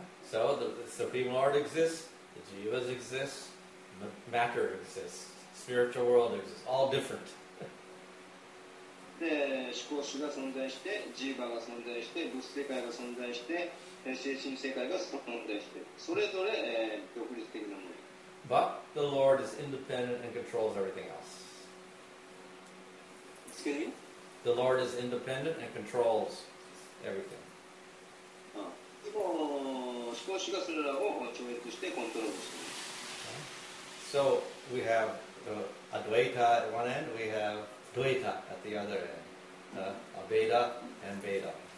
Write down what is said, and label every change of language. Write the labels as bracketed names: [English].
[English] So the Supreme Lord exists, the Jivas exist, matter exists, spiritual world exists, all different. [Japanese] で、思考主が存在して、ジーバが存在して、物世界が存在して、精神世界が存在して、それぞれ、独立的なもの。 [English] But the Lord is independent and controls everything else. Excuse me? The Lord is independent and controls everything. [Japanese] でも、思考主がそれらを超越してコントロールする。 [English] So, we have Advaita at one end, we have Dvaita at the other end, Aveda and Veda.